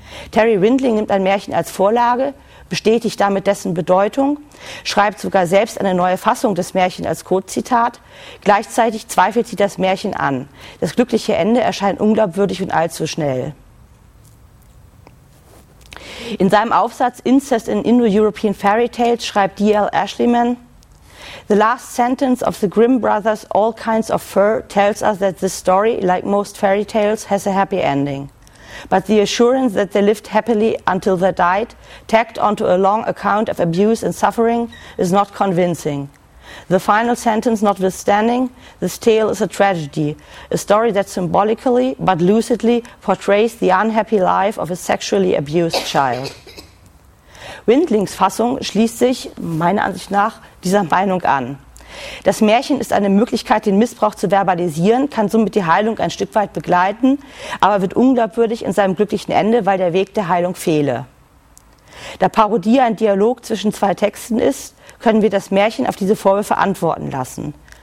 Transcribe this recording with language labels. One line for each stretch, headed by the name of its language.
German: Terry Windling nimmt ein Märchen als Vorlage, bestätigt damit dessen Bedeutung, schreibt sogar selbst eine neue Fassung des Märchens als Codezitat. Gleichzeitig zweifelt sie das Märchen an. Das glückliche Ende erscheint unglaubwürdig und allzu schnell. In seinem Aufsatz Incest in Indo-European Fairy Tales schreibt D.L.
English: Ashleyman: The last sentence of the Grimm brothers' All Kinds of Fur tells us that this story, like most fairy tales, has a happy ending. But the assurance that they lived happily until they died, tacked onto a long account of abuse and suffering, is not convincing. The final sentence notwithstanding, this tale is a tragedy, a story that symbolically but lucidly portrays the unhappy life of a sexually abused child.
German: Windlings Fassung schließt sich, meiner Ansicht nach, dieser Meinung an. Das Märchen ist eine Möglichkeit, den Missbrauch zu verbalisieren, kann somit die Heilung ein Stück weit begleiten, aber wird unglaubwürdig in seinem glücklichen Ende, weil der Weg der Heilung fehle. Da Parodie ein Dialog zwischen zwei Texten ist, können wir das Märchen auf diese Vorwürfe antworten lassen.